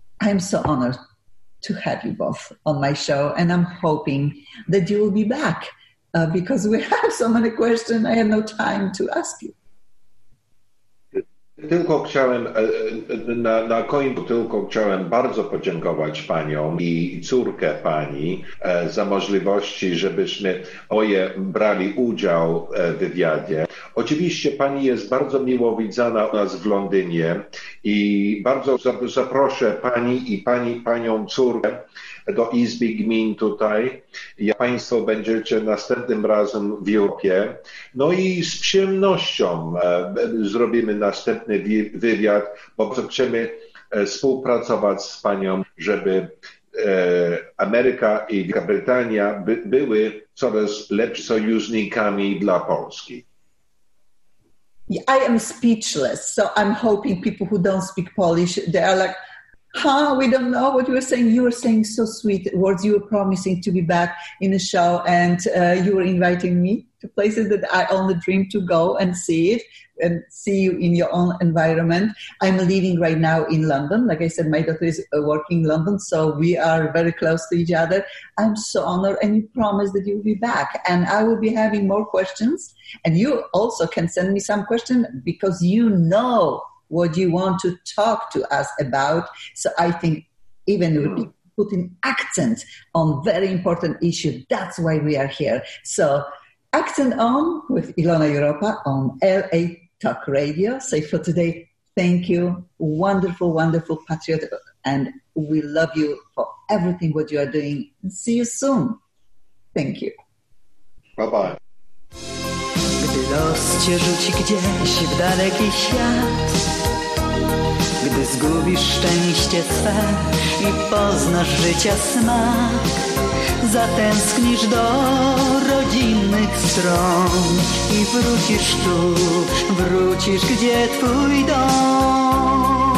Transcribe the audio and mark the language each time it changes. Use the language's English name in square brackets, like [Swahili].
[English] I'm so honored to have you both on my show, and I'm hoping that you will be back because we have so many questions. I have no time to ask you. [Polish] Tylko chciałem, na końcu tylko chciałem bardzo podziękować panią i córkę pani za możliwości, żebyśmy oje brali udział w wywiadzie. Oczywiście pani jest bardzo miło widziana u nas w Londynie i bardzo zaproszę pani i panią córkę do Izby Gmin tutaj. Jak państwo będziecie następnym razem w Europie. No i z przyjemnością zrobimy następny wywiad, bo chcemy współpracować z panią, żeby Ameryka i Wielka Brytania były coraz lepszymi sojusznikami dla Polski. [English] I am speechless, so I'm hoping people who don't speak Polish, they are like, huh, we don't know what you were saying. You were saying so sweet words. You were promising to be back in the show, and you were inviting me to places that I only dream to go and see it and see you in your own environment. I'm living right now in London. Like I said, my daughter is working in London, so we are very close to each other. I'm so honored, and you promised that you will be back, and I will be having more questions. And you also can send me some questions because you know what you want to talk to us about. So I think even we'll be putting accent on very important issue. That's why we are here. So accent on with Ilona Europa on LA Talk Radio. So for today, thank you. Wonderful, wonderful patriot. And we love you for everything what you are doing. See you soon. Thank you. Bye-bye. [Polish] Gdy los cię rzuci gdzieś w daleki świat, gdy zgubisz szczęście swe i poznasz życia smak, zatęsknisz do rodzinnych stron i wrócisz tu, wrócisz gdzie twój dom.